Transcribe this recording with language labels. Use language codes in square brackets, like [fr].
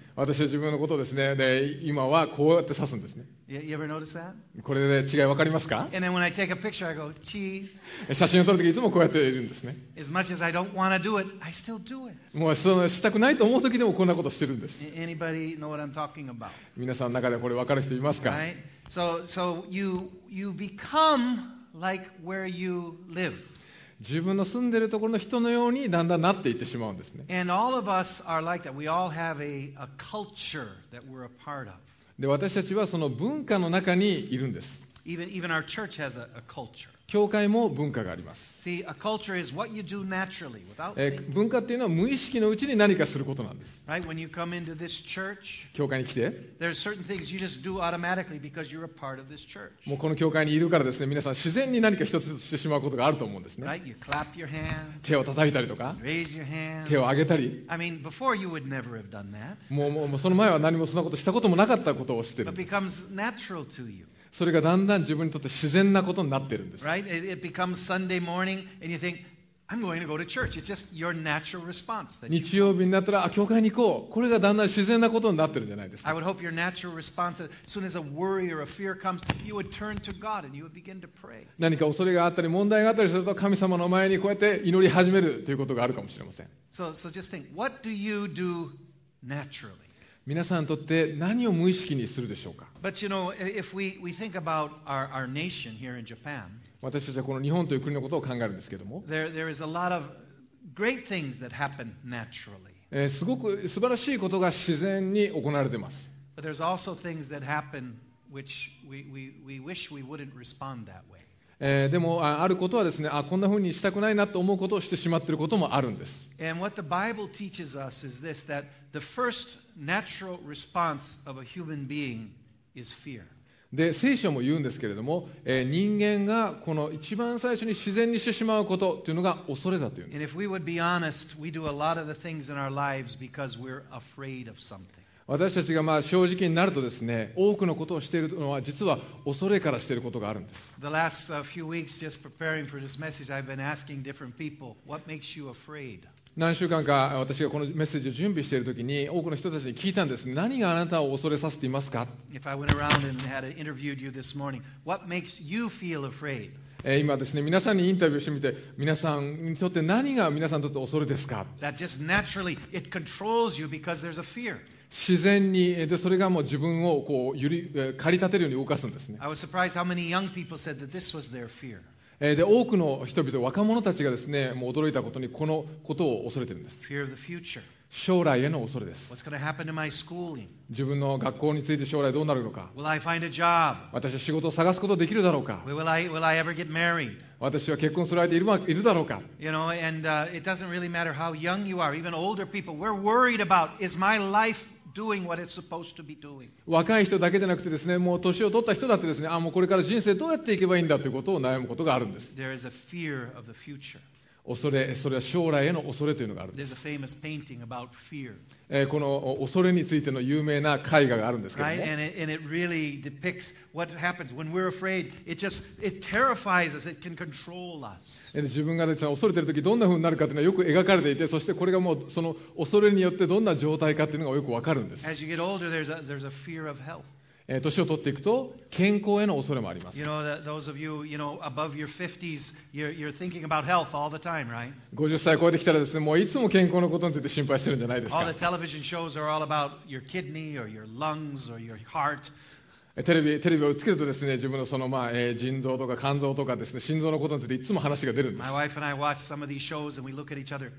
[ja] 私は自分のことをですね、で今はこうやって指すんですね。 [en] You ever notice that? [ja] これで違い分かりますか? [en] And then when I take a picture, I go, cheese. [ja] 写真を撮るときいつもこうやっているんですね。 [en] As much as I don't want to do it, I still do it. [ja] もうそのしたくないと思うときでもこんなことしてるんです。 [en] Anybody know what I'm talking about? [ja] 皆さんの中でこれ分かる人いますか? [en] Right? So you become like where you live. [ja] 自分の住んでるところの人のようにだんだんなっていってしまうんですね。 [en] And all of us are like that. We all have a culture that we're a part of. [ja] で私たちはその文化の中にいるんです。 [en] Even our church has a culture. [ja] 教会も文化があります。 [en] See, a culture is what you do naturally, without. [ja] 文化っていうのは無意識のうちに何かすることなんです。 [en] Right? When you come into this church, [ja] 教会に来て、 [en] there are certain things you just do automatically because you're a part of this church. [ja] もうこの教会にいるからですね、皆さん自然に何か一つずつしてしまうことがあると思うんですね。 [en] Right? You clap your hand. [ja] 手を叩いたりとか、 [en] raise your hand. [ja] 手を上げたり。 [en] I mean, before you would never have done that. [ja] もうその前は何もそんなことしたこともなかったことをしてる。 [en] But becomes natural to you. [ja] それがだんだん自分にとって自然なことになってるんです。 [en] Right? It becomes Sunday morning and you think, I'm going to go to church. It's just your natural response. [ja] 日曜日になったら、あ、教会に行こう。これがだんだん自然なことになってるんじゃないですか。 [en] I would hope your natural response, as soon as a worry or a fear comes, you would turn to God and you would begin to pray. [ja] 何か恐れがあったり問題があったりすると、神様の前にこうやって祈り始めるということがあるかもしれません。 [en] So just think, what do you do naturally? [ja] 皆さんにとって何を無意識にするでしょうか。 [en] But you know, if we think about our nation here in Japan, [ja] 私たちはこの日本という国のことを考えるんですけども、 [en] there is a lot of great things that happen naturally. [ja] すごく素晴らしいことが自然に行われています。 [en] But there's also things that happen which we wish we wouldn't respond that way. [ja] でもあることはですね、あ、こんな風にしたくないなと思うことをしてしまっていることもあるんです。 [en] And what the Bible teaches us is this, that the firstNatural response of a human being is fear. [ja] で、聖書も言うんですけれども、人間がこの一番最初に自然にしてしまうことというのが恐れだというんです。 [en] And if we would be honest, we do a lot of the things in our lives because we're afraid of something. [ja] 私たちがまあ正直になるとですね、多くのことをしているのは実は恐れからしていることがあるんです。 [en] The last few weeks, just preparing for this message, I've been asking different people, what makes you afraid? [ja] 何週間か私がこのメッセージを準備しているときに多くの人たちに聞いたんです。何があなたを恐れさせていますか？ [en] If I went around and had interviewed you this morning, what makes you feel afraid? [ja] 今ですね、皆さんにインタビューしてみて、皆さんにとって何が皆さんにとって恐れですか？ [en] That just naturally, it controls you because there's a fear. [ja] 自然にでそれがもう自分をこう駆り立てるように動かすんですね。 [en] I was surprised how many young people said that this was their fear. [ja] で多くの人々、若者たちがですね、もう驚いたことにこのことを恐れているんです。 [en] Fear of the future. [ja] 将来への恐れです。 [en] What's going to happen to my schooling? [ja] 自分の学校について将来どうなるのか。 [en] Will I find a job? [ja] 私は仕事を探すことができるだろうか。 [en] Will I ever get married? [ja] 私は結婚する相手いるだろうか。 [en] You know, and it doesn't really matter how young you are, even older people, we're worried about, is my life doing what it's supposed to be doing. [ja] 若い人だけでなくてですね、もう年を取った人だってですね、あ、もうこれから人生どうやっていけばいいんだということを悩むことがあるんです。 [en] There is a fear of the future. [ja] 恐れ、それは将来への恐れというのがあるんです。 [en] There's a famous painting about fear. [ja] この恐れについての有名な絵画があるんですけども。 [en] Right? And it really depicts what happens when we're afraid. It terrifies us. It can control us. [ja] 自分がですね、恐れているときどんな風になるかというのはよく描かれていて、そしてこれがもうその恐れによってどんな状態かというのがよくわかるんです。 [en] As you get older, there's a fear of health. [ja] 年を取っていくと健康への恐れもあります。 [en] You know, those of you, you know, above your 50s, you're thinking about health all the time, right? [ja] 50歳超えてきたらですね、もういつも健康のことについて心配してるんじゃないですか。 [en] All the television shows are all about your kidney or your lungs or your heart. [ja] テレビをつけるとですね、自分のそのまあ、腎臓とか肝臓とかですね、心臓のことについていつも話が出るんです。 [en] My wife and I watch some of these shows and we look at each other.